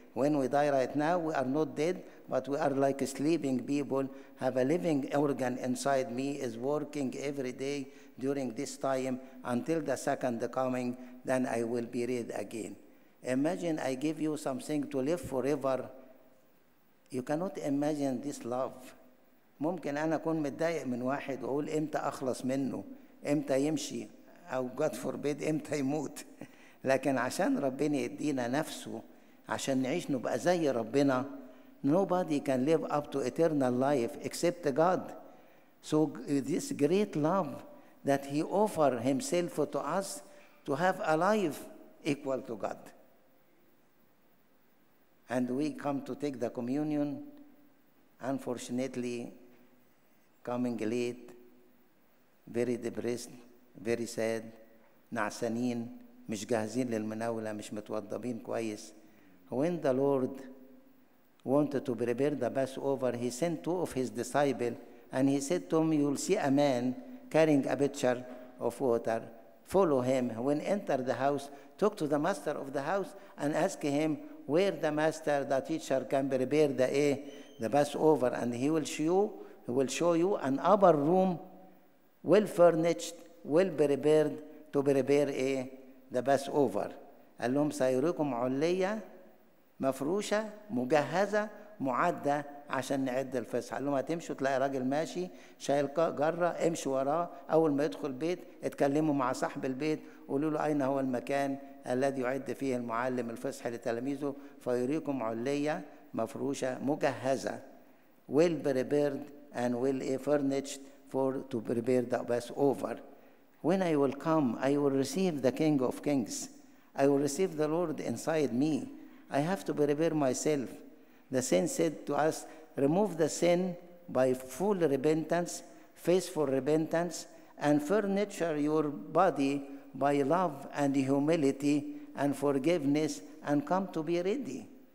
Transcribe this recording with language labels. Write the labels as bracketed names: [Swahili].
[English] When we die right now, we are not dead, but we are like sleeping people, have a living organ inside me, is working every day during this time until the second coming, then I will be raised again. Imagine I give you something to live forever. You cannot imagine this love. [Arabic] ممكن أنا أكون متضايق من واحد وأقول إمتى أخلص منه؟ إمتى يمشي؟ أو [English] God forbid [Arabic] إمتى يموت؟ لكن عشان ربنا يدينا نفسه عشان نعيش نبقى زي ربنا. [English] Nobody can live up to eternal life except God. So this great love that he offered himself to us to have a life equal to God. And we come to take the communion, unfortunately, coming late, very depressed, very sad, [Arabic] نعسانين, مش جاهزين للمناولة, مش متوضبين كويس. [English] When the Lord wanted to prepare the Passover, he sent two of his disciples and he said to him, you'll see a man carrying a pitcher of water, follow him. When enter the house, talk to the master of the house and ask him where the master, the teacher can prepare the Passover, and he will show you an upper room well furnished, well prepared to prepare a the Passover. [Arabic] قال لهم سيريكم علية مفروشة مجهزة معدة عشان نعد الفصح. قال لهم هتمشوا تلاقي راجل ماشي شايل جرة، امشي وراه، أول ما يدخل بيت اتكلموا مع صاحب البيت قولوا له أين هو المكان الذي يعد فيه المعلم الفصح لتلاميذه، فيريكم علية مفروشة مجهزة [English] well prepared and well furnished for to prepare the Passover. When I will come, I will receive the King of Kings. I will receive the Lord inside me. I have to prepare myself. The saint said to us, remove the sin by full repentance, faithful repentance, and furniture your body by love and humility and forgiveness, and come to be ready.